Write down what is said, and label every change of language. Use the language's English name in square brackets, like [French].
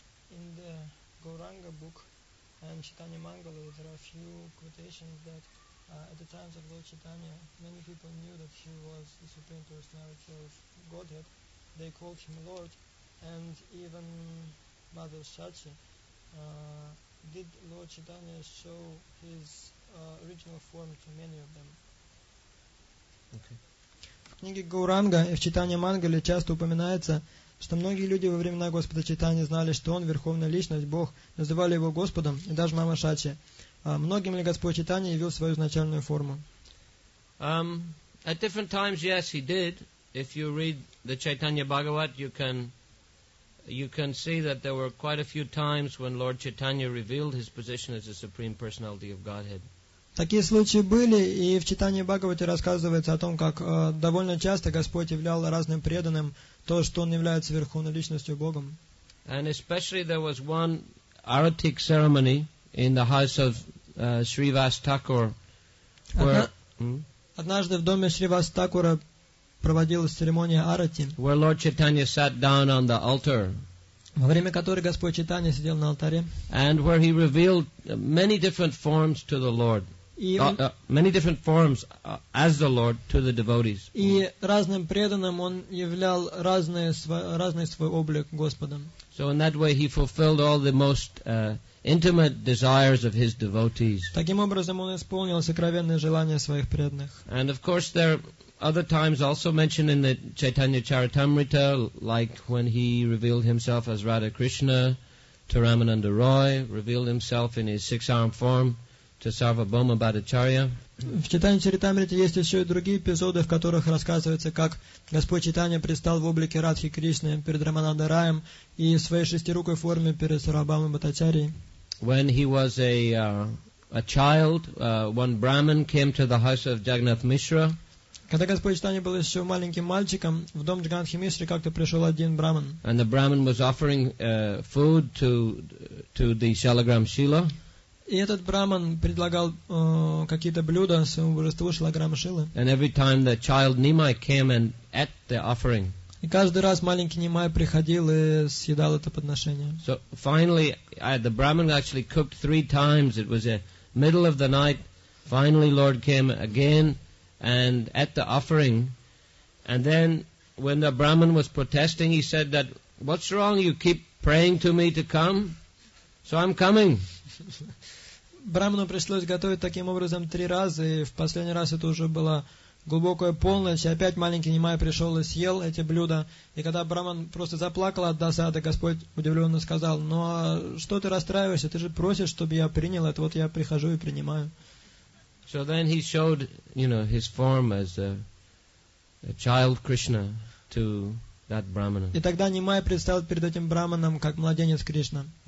[English] In the Gauranga book and Chaitanya Mangala, there are a few quotations that at the times of Lord Chaitanya, many people knew that he was the Supreme Personality of Godhead. They called him Lord, and even Mother Sati. Did Lord Chaitanya show his original form to many of them? [Russian] Okay. В книге Гауранга и в Чайтанья Мангале часто упоминается, что многие люди во времена Господа Чайтаньи знали, что Он — Верховная Личность, Бог, называли Его Господом, и даже Мама Сати. Многим ли Господь Чайтанья явил свою изначальную форму? [English] At different times, yes, He did. If you read the Chaitanya Bhagavat, you can see that there were quite a few times when Lord Chaitanya revealed his position as the Supreme Personality of Godhead. [Russian] Такие случаи были, и в Чайтанья Бхагавате рассказывается о том, как довольно часто Господь являл разным преданным то, что Он является Верховной Личностью Богом. [English] And especially there was one Aratik ceremony in the house of Srivas Thakur. [Russian] Однажды в доме Шривас Такура проводилась церемония арати, [English] where Lord Chaitanya sat down on the altar, [Russian] во время которой Господь Чайтанья сидел на алтаре, [English] and where he revealed many different forms to the Lord, many different forms as the Lord to the devotees. [Russian] И разным преданным он являл разный свой облик Господа. [English] So in that way he fulfilled all the most intimate desires of his devotees. [Russian] Таким образом он исполнил сокровенные желания своих преданных. [English] And of course there other times also mentioned in the Chaitanya Charitamrita, like when he revealed himself as Radha Krishna to Ramananda Roy, revealed himself in his six-armed form to Sarvabhauma Bhattacharya. [Russian] В Чайтанья Чаритамрите есть еще и другие эпизоды, в которых рассказывается, как Господь Чайтанья предстал в облике Радхи Кришны перед Рамананда Раем и в своей шестирукой форме перед Сарвабхаумой Бхаттачарьей. [English] When he was a child, one Brahmin came to the house of Jagannath Mishra. [Russian] Когда Господь Чайтанья был еще маленьким мальчиком, в дом Джаганнатхи Мишры как-то пришел один брахман. [English] And the brahmin was offering food to the Shalagram Shila. [Russian] И этот брахман предлагал какие-то блюда своему божеству Шалаграма Шилы. [English] And every time the child Nimai came and ate the offering. [Russian] И каждый раз маленький Нимай приходил и съедал это подношение. [English] So finally, the brahmin actually cooked three times. It was the middle of the night. Finally, Lord came again. And at the offering, and then when the Brahmin was protesting, he said that, "What's wrong? You keep praying to me to come, so I'm coming." [Russian] Брахману пришлось готовить таким образом три раза, и в последний раз это уже была глубокая полночь, и опять маленький Нимай пришел и съел эти блюда, и когда Брахман просто заплакал от досады, Господь удивленно сказал, "Ну а что ты расстраиваешься? Ты же просишь, чтобы я принял это, вот я прихожу и принимаю." [English] So then he showed, you know, his form as a child Krishna to that brahmana. [Russian] И тогда Нимай предстал перед этим брахманом как младенец Кришна.